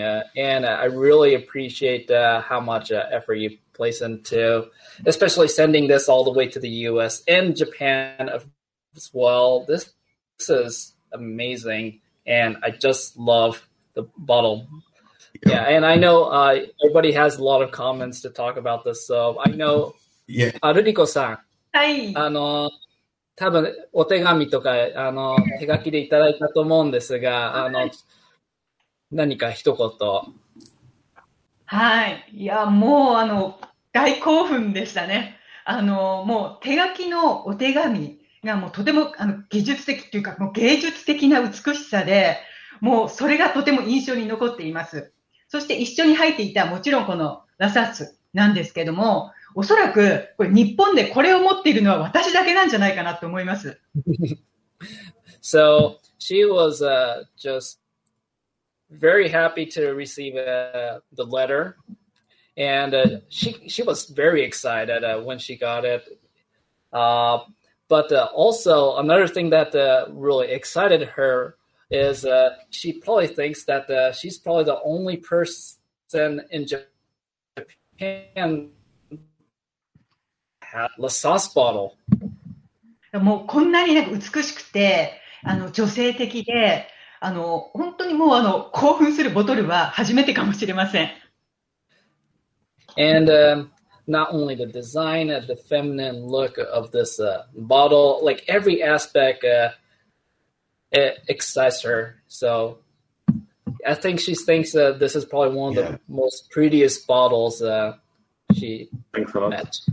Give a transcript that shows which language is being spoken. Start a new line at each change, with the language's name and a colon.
English: And I really appreciate how much effort you place into, especially sending this all the way to the US and Japan as well. This is amazing, and I just love the bottle. Yeah, and I know everybody has a lot of comments to talk about this, so I know. Yeah. Ruriko-san. Hi.
Japanese: 多分お手紙とか手書きでいただいたと思うんですが、何か一言。はい。いや、もう大興奮でしたね。もう手書きのお手紙がもうとても技術的というか、もう芸術的な美しさで、もうそれがとても印象に残っています。そして一緒に入っていた、もちろんこのラサスなんですけども、おそらくこれ日本でこれを持っているのは私だけなんじゃないかなと思います。
English: So, she was just very happy to receive the letter. And she was very excited when she got it. But also, another thing that really excited her is she probably thinks that she's probably the only person in Japan at La Sauce bottle.
Japanese: もうこんなに美しくて女性的で本当にもう興奮するボトルは初めてかもしれません。
English: And not only the design and the feminine look of this bottle, like every aspect excites her. So I think she thinks that this is probably one of the most prettiest bottles she met.